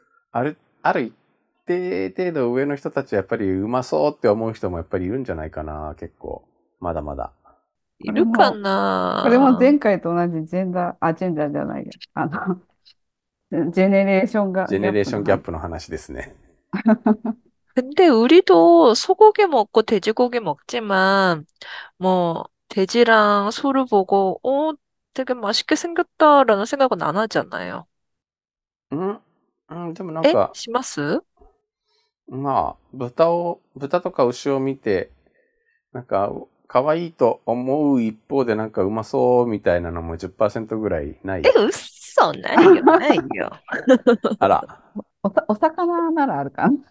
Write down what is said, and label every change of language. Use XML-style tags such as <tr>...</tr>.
<ja>ある一定程度上の人たちはやっぱりうまそうって思う人もやっぱりいるんじゃないかな、結構。まだまだ。いるかな。これも前回と同じジェンダー、あ、ジェンダーじゃないや。あの、ジェネレーションが。ジェネレーションギャップの話ですね。</ja> <ko>근데 우리도 소고기 먹고 돼지고기 먹지만 뭐 돼지랑 소를 보고 어 되게 맛있게 생겼다라는 생각은 안 하잖아요. 응? 응, 근데 뭔가</ko> <ja>에? します? 뭐, 豚とか牛を見て、なんか、かわいいと思う一方で、なんかうまそうみたいなのも 10% ぐらいない。え、うっそ、ないよ、ないよ。あら。お魚ならあるか。</ja>